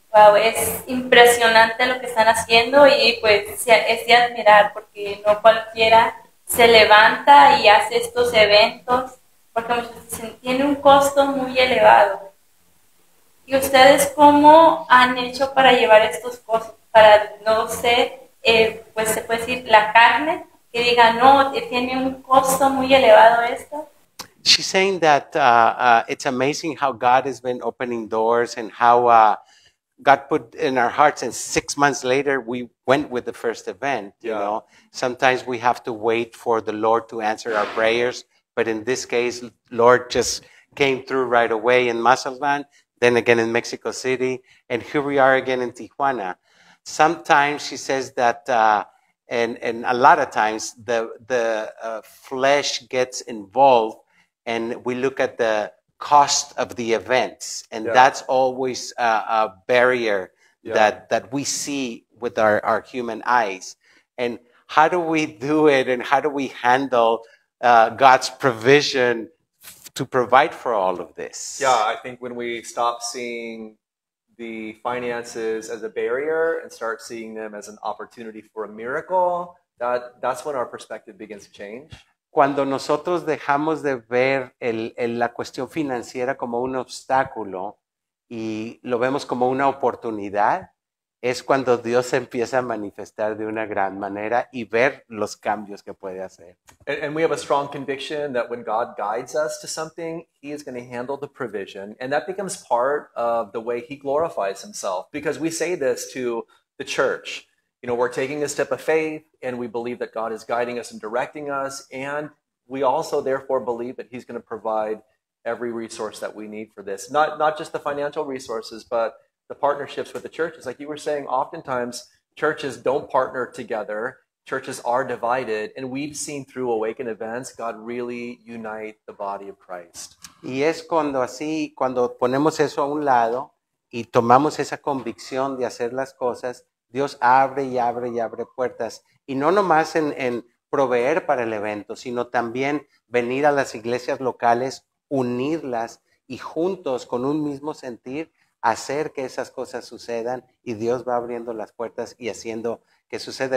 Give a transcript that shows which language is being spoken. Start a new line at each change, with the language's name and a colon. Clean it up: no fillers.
Spanish: Wow, es impresionante lo que están haciendo, y, pues, es de admirar, porque no cualquiera se levanta y hace estos eventos, porque muchos dicen, tiene un costo muy elevado. ¿Y ustedes cómo han hecho para llevar estos costos? Para, no sé, pues se puede decir, la carne, que diga, no, tiene un costo muy elevado esto.
English: She's saying that it's amazing how God has been opening doors and how God put in our hearts, and 6 months later we went with the first event, you know. Sometimes we have to wait for the Lord to answer our prayers, but in this case, Lord just... came through right away in Mazatlán, then again in Mexico City, and here we are again in Tijuana. Sometimes she says that, and a lot of times, the flesh gets involved, and we look at the cost of the events, and yeah. that's always a barrier yeah. that we see with our human eyes. And how do we do it, and how do we handle God's provision to provide for all of this? Yeah, I think when we stop seeing the finances as a barrier and start seeing them as an opportunity for a miracle, that's when our perspective begins to change.
Spanish: Cuando nosotros dejamos de ver la cuestión financiera como un obstáculo y lo vemos como una oportunidad, es cuando Dios empieza a manifestar de una gran manera y ver los cambios que puede hacer.
English: And we have a strong conviction that when God guides us to something, He is going to handle the provision. And that becomes part of the way He glorifies Himself. Because we say this to the church. You know, we're taking a step of faith and we believe that God is guiding us and directing us. And we also therefore believe that He's going to provide every resource that we need for this. Not just the financial resources, but the partnerships with the churches. Like you were saying, oftentimes churches don't partner together. Churches are divided. And we've seen through Awaken events, God really unite the body of Christ.
Spanish: Y es cuando así, cuando ponemos eso a un lado y tomamos esa convicción de hacer las cosas, Dios abre y abre y abre puertas. Y no nomás en proveer para el evento, sino también venir a las iglesias locales, unirlas y juntos con un mismo sentir, hacer que esas cosas sucedan y Dios va abriendo las puertas y haciendo que suceda.